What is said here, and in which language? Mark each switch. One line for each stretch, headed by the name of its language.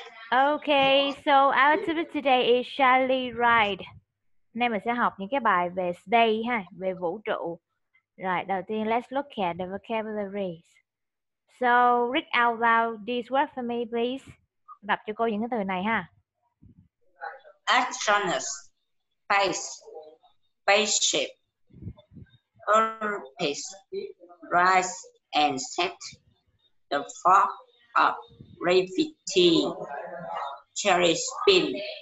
English: Ok, so our topic today is Shelly Ride.
Vietnamese: Hôm nay mình sẽ học những cái bài về space ha, về vũ trụ. Rồi, đầu tiên
English: let's look at the vocabularies. So, read out loud these words for me please.
Vietnamese: Đọc cho cô những cái từ này ha.
English: Astronaut, space, spaceship, orbit, rise and set, the fog of gravity, jelly beans.